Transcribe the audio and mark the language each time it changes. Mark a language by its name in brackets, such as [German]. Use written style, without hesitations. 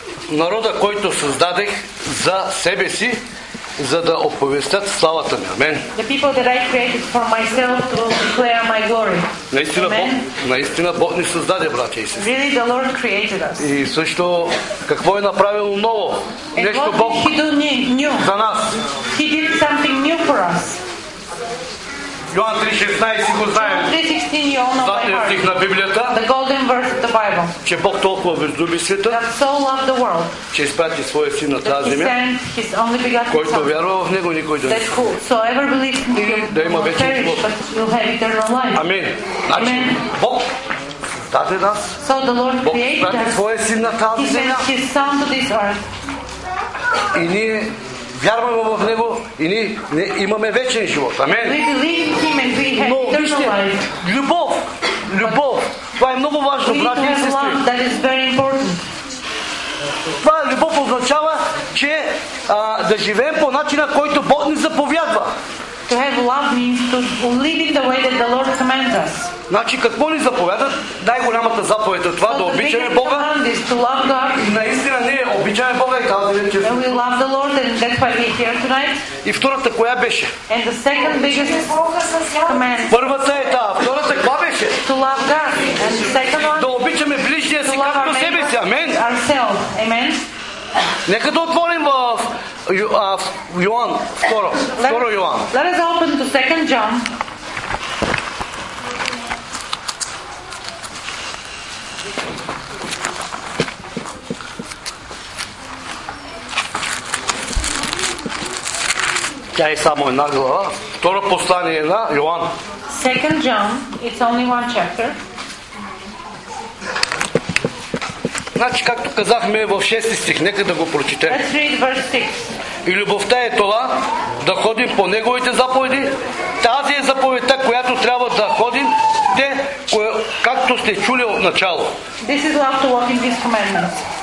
[Bulgarian] Народа, който създадех за себе си, за да оповестят славата ми. Амен. [English] The people that I created for myself to declare my glory. [Bulgarian] Наистина, наистина Бог ни създаде, братя и сестри. [English] Really, the Lord created us. [Bulgarian] И също, какво е направил ново? Нещо Бог за нас. [English] He did something new for us. [Bulgarian] Йоан 3:16 го знаем. [English] 3:16 you all know by heart. The golden verse of the Bible. [Bulgarian] Че Бог толкова възлюби света, [English] that so loved the world, [Bulgarian] че изпрати своя син на тази земя, който вярва в него, никой да не загине. Да има вечен живот. Амин. Значи, Бог даде нас. [English] So the Lord [Bulgarian] Бог изпрати своя син на тази земя. [English] He sent his son to this earth. [Bulgarian] И ние вярваме в него и ние имаме вечен живот. Амен. Но вижте, любов, любов, това е много важно, брати и сестри. Това любов означава, че да живеем по начина, който Бог ни заповядва. [English] To have love means to live in the way that the Lord commands us. [Bulgarian] Значи какво ни заповядат? Най-голямата заповед е това да обичаме Бога. Наистина ние обичаме Бога и тази вечер. [English] And we love the Lord and that's why we're here tonight. [Bulgarian] И втората коя беше? [English] And the second biggest command. [Bulgarian] Първата е тази, втората каква беше? [English] To love God. And the second one? [Bulgarian] Да обичаме ближния си както себе си. Амен. [English] Ourselves. Amen. [Bulgarian] Нека да отворим в Йоан, второ Йоан. [English] Let us open to 2 John. [Bulgarian] Тя е само една глава. Второ послание на Йоан. [English] 2 John, it's only one chapter. [Bulgarian] Значи, както казахме в 6 стих, нека да го прочетем. [English] Let's read verse 6. [Bulgarian] И любовта е това, да ходим по неговите заповеди. Тази е заповедта, която трябва да ходим, те, както сте чули от начало. [English] This is love to walk in these commandments.